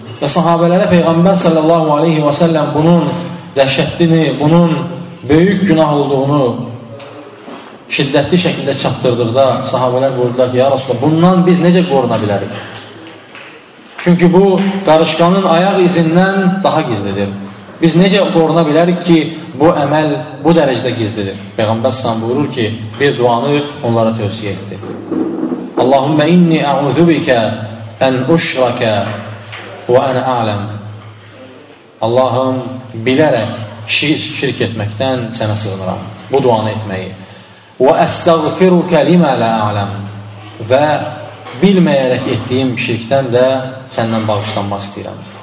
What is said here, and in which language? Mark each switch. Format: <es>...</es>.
<az>Və sahabələrə Peyğəmbər sallallahu aleyhi və səlləm bunun dəhşətini, bunun böyük günah olduğunu şiddətli şəkildə çatdırdıqda sahabələr buyurdular ki, ya Rasulullah, bundan biz necə qoruna bilərik? Çünki bu qarışqanın ayaq izindən daha gizlidir. Biz necə qoruna bilərik ki, bu əməl bu dərəcədə gizlidir? Peyğəmbər sallallahu aleyhi və səlləm buyurur ki, bir duanı onlara tövsiyə etdi.</az> <ar>اللهم إني أعوذ بك أن أشرك وأنا أعلم.</ar> <az>اللهم bilərək şirk etməkdən sənə sığınıram. Bu duanı etməyi.</az> <ar>وأستغفرك لما لا أعلم.</ar> <az>Və bilməyərək etdiyim şirkdən də səndən bağışlanma istəyirəm.</az>